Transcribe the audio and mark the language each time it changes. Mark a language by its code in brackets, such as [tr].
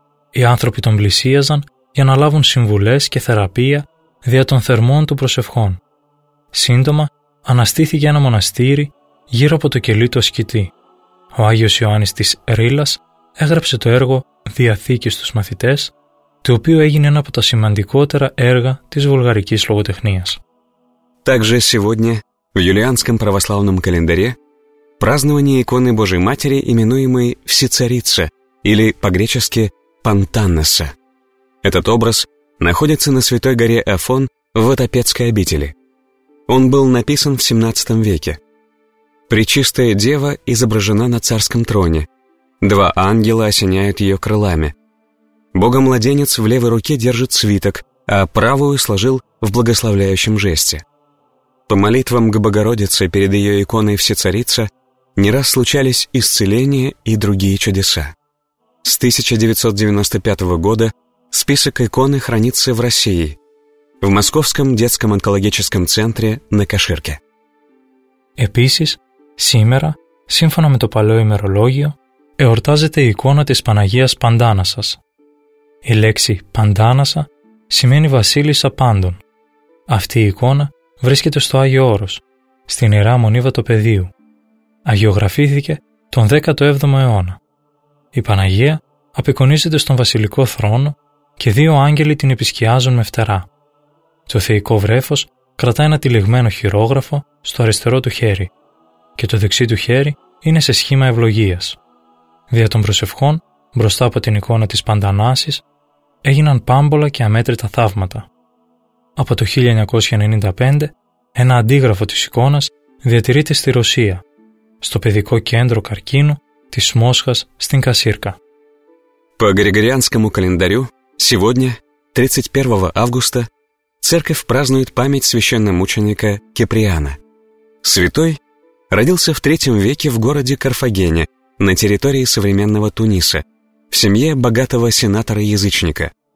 [el] Οι άνθρωποι τον πλησίαζαν για να λάβουν συμβουλές και θεραπεία δια των θερμών του προσευχών. Σύντομα αναστήθηκε ένα μοναστήρι γύρω από το κελί του ασκητή. Ο Άγιος Ιωάννης της Ρήλας έγραψε το έργο «Διαθήκη στους μαθητές», το οποίο έγινε ένα από τα σημαντικότερα έργα της βουλγαρικής λογοτεχνίας. [ru] Также сегодня в юлианском православном календаре празднование иконы Божией Матери, именуемой Всецарица или по-гречески Пантанеса. Этот образ находится на святой горе Афон в Атапецкой обители. Он был написан в 17 веке. Пречистая Дева изображена на царском троне. Два ангела осеняют ее крылами. Бога-младенец в левой руке держит свиток, а правую сложил в благословляющем жесте. По молитвам к Богородице перед ее иконой Всецарица не раз случались исцеления и другие чудеса. С 1995 года список иконы хранится в России, в Московском детском онкологическом центре на Каширке. [el] Επίσης, σήμερα, σύμφωνα με το παλαιό ημερολόγιο, εορτάζεται η εικόνα της Παναγίας Παντάνασας. Η λέξη «Παντάνασα» σημαίνει «Βασίλισσα πάντων». Αυτή η εικόνα βρίσκεται στο Άγιο Όρος, στην Ιερά Μονή Βατοπεδίου. Αγιογραφήθηκε τον 17ο αιώνα. Η Παναγία απεικονίζεται στον βασιλικό θρόνο και δύο άγγελοι την επισκιάζουν με φτερά. Το θεϊκό βρέφος κρατά ένα τυλιγμένο χειρόγραφο στο αριστερό του χέρι και το δεξί του χέρι είναι σε σχήμα ευλογίας. Δια των προσευχών, μπροστά από την εικόνα της Παντανάσης, έγιναν πάμπολα και αμέτρητα θαύματα. Από το 1995, ένα αντίγραφο της εικόνας διατηρείται στη Ρωσία, στο παιδικό κέντρο καρκίνου της Μόσχας στην Κασίρκα. [ru] По Григорианскому календарю сегодня, 31 августа, церковь празднует память священномученика Киприана. Святой родился в III веке в городе Карфагене, на территории современного Туниса, в семье богатого сенатора-язычника.